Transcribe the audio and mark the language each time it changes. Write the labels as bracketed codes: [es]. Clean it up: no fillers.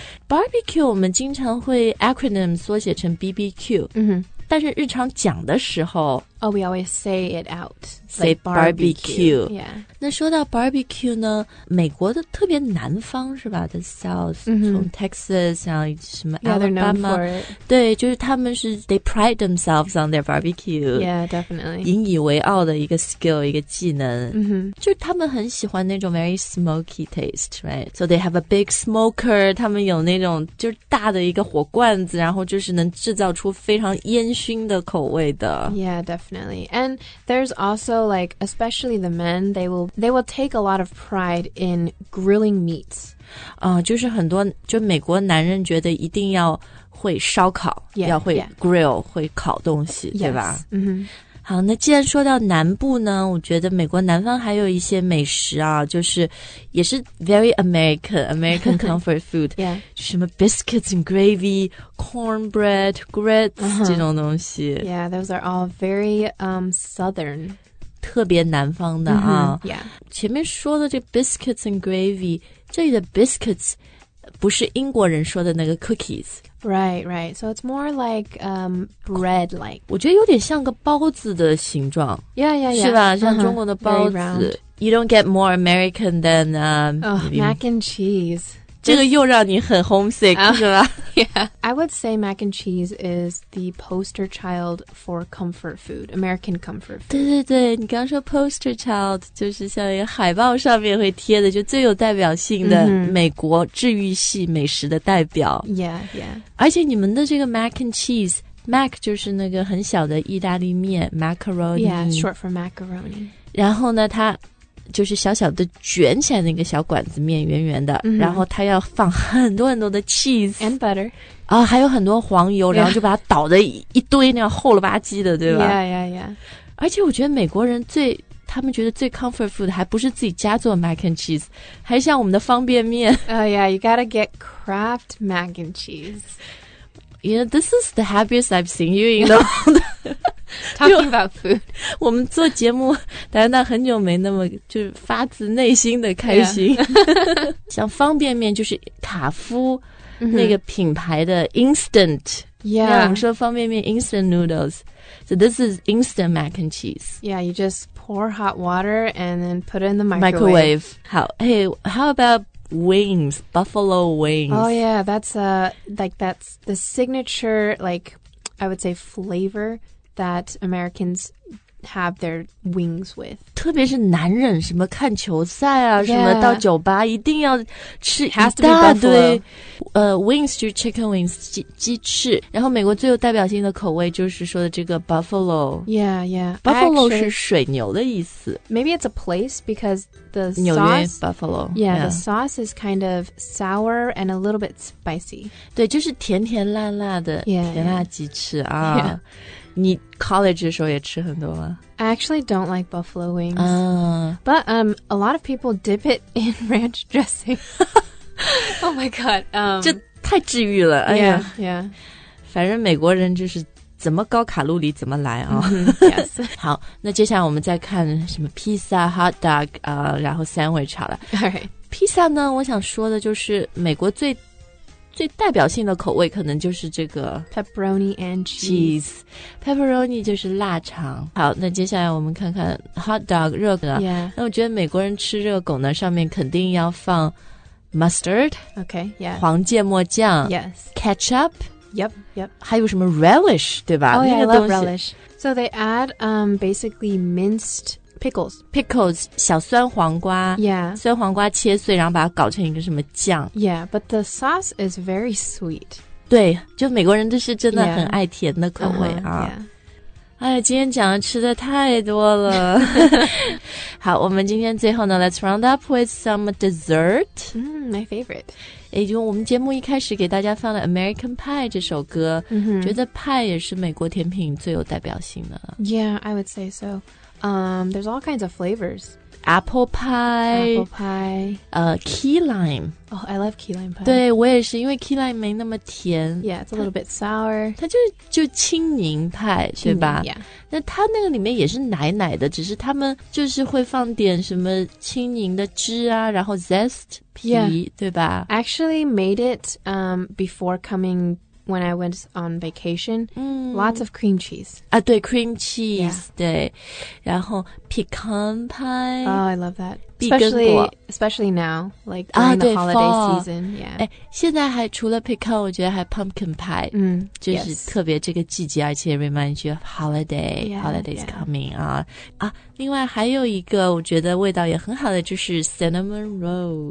[zh] Barbecue 我们经常会 acronym 缩写成 BBQ、 mm-hmm. 但是日常讲的时候 [en] Oh, we always say it out. Say like barbecue. Yeah. [zh] 那说到 barbecue 呢，美国的特别南方是吧 ？ [en] The South,、 mm-hmm. [zh] 从 Texas 啊什么 [en] yeah, Alabama， [zh] 对，就是他们是 [en] they pride themselves on their barbecue. Yeah, definitely. [zh] 引以为傲的一个 skill， 一个技能。嗯哼，就是他们很喜欢那种 [en] very smoky taste, right? So they have a big smoker. [zh] 他们有那种就是大的一个火罐子，然后就是能制造出非常烟熏的口味的。 [en] Yeah, definitely. And there's also like especially the men they will take a lot of pride in grilling meats. [zh] 就是很多就美国男人觉得一定要会烧烤 [en] yeah, [zh] 要会 grill、会烤东西对吧 [en] yes,、mm-hmm. [zh] 好，那既然说到南部呢，我觉得美国南方还有一些美食啊，就是也是 [en] very American comfort food，、yeah. [zh] 什么 biscuits and gravy， cornbread， grits、uh-huh. 这种东西。 [en] Yeah， those are all very southern， [zh] 特别南方的啊。 [en] Mm-hmm. Yeah， [zh] 前面说的这 biscuits and gravy， 这里的 biscuits 不是英国人说的那个 cookies。 [en] Right. So it's more like bread-like. [zh] 我觉得有点像个包子的形状。 [en] Yeah. [zh] 是吧？像中国的包子。 Uh-huh. [en] You don't get more American than mac and cheese. [zh] 这个又让你很 homesick, 是吧？ [en] Yeah. I would say mac and cheese is the poster child for comfort food, American comfort food. [zh] 对，你刚刚说 poster child, 就是像一个海报上面会贴的就最有代表性的美国治愈系美食的代表。 [en] Mm-hmm. Yeah. [zh] 而且你们的这个 mac and cheese, mac 就是那个很小的意大利面 macaroni. [en] Yeah, short for macaroni. [zh] 然后呢它就是小小的卷起来的一个小管子面圆圆的、 mm-hmm. 然后它要放很多很多的 cheese [en] and butter、 [zh] 啊、还有很多黄油、 [en] yeah. [zh] 然后就把它倒的一堆那样厚了吧唧的对吧 [en] yeah. [zh] 而且我觉得美国人最他们觉得最 comfort food 还不是自己家做 mac and cheese 还像我们的方便面 [en] you gotta get Kraft mac and cheese you know this is the happiest I've seen you in the world Talking about food. [zh] 我们做节目但是很久没那么就发自内心的开心。 [en] Yeah. [zh] 像方便面就是卡夫那个品牌的 instant. [en] Yeah. [zh] 我们说方便面 instant noodles. [en] So this is instant mac and cheese. Yeah, you just pour hot water and then put it in the microwave. 好 hey, how about wings, buffalo wings? Oh yeah, that's, like that's the signature, like I would say flavor. That Americans have their wings with. [zh] 特别是男人什么看球赛啊、 [en] yeah. [zh] 什么到酒吧一定要吃一大堆 [en] Has to be buffalo. [zh] Wings 就是 chicken wings 鸡翅然后美国最有代表性的口味就是说的这个 buffalo. [en] Yeah. Buffalo actually, [zh] 是水牛的意思 [en] Maybe it's a place because the sauce [zh] 纽约 buffalo. [en] Yeah. The sauce is kind of sour and a little bit spicy. [zh] 对就是甜甜辣辣的 [en] yeah, [zh] 甜辣鸡翅、 [en] yeah. 啊、 yeah. [zh] 你 college 的时候也吃很多吗 [en] I actually don't like buffalo wings、 But a lot of people dip it in ranch dressing Oh my god [zh] 这太治愈了、哎、 [en] Yeah [zh] 反正美国人就是怎么高卡路里怎么来、哦 [en] mm-hmm, Yes [zh] 好那接下来我们再看什么 pizza, hot dog、然后 sandwich 好了 [en] Alright [zh] Pizza 呢我想说的就是美国最代表性的口味可能就是这个 [en] pepperoni and cheese. [zh] Pepperoni 就是腊肠。好，那接下来我们看看 hot dog 热狗。 [en] Yeah. [zh] 那我觉得美国人吃热狗呢，上面肯定要放 mustard. [en] Okay. Yeah. [zh] 黄芥末酱。 [en] Yes. Ketchup. Yep. Yep. [zh] 还有什么 relish 对吧？ [en] Oh, yeah, [zh] 那个东 [en] 西。I love relish. So they add basically minced. Pickles, [zh] 小酸黄瓜 [en] Yeah [zh] 酸黄瓜切碎然后把它搞成一个什么酱 [en] Yeah, but the sauce is very sweet [zh] 对就美国人都是真的很爱甜的口味、 [en] yeah. uh-huh, 啊、 yeah. [zh] 哎今天讲的吃的太多了好我们今天最后呢 [en] Let's round up with some dessert、 My favorite [zh] 也就我们节目一开始给大家放了 American Pie 这首歌、 mm-hmm. 觉得 Pie 也是美国甜品最有代表性的 [en] Yeah, I would say soThere's all kinds of flavors. Apple pie. Key lime. Oh, I love key lime pie. [zh] 对，我也是，因为 key lime 没那么甜。 [en] Yeah, it's a little bit sour. [zh] 它就青柠派，对吧？ [en] Yeah. [zh] 那它那个里面也是奶奶的，只是他们就是会放点什么青柠的汁啊，然后 zest 皮， [en] yeah. [zh] 对吧？ [en] Actually made it before coming when I went on vacation,、lots of cream cheese. [zh] 啊对 cream cheese,、yeah. 对。然后 pecan pie. [en] Oh, I love that. Especially now, like during、the holiday、 fall. season. Yeah. [zh] 哎、现在还除了 pecan, 我觉得还 pumpkin pie.、就是特别这个季节而且 [en] reminds you of holiday. Yeah, holiday's coming. [zh] 啊、啊另外还有一个我觉得味道也很好的就是 cinnamon rolls.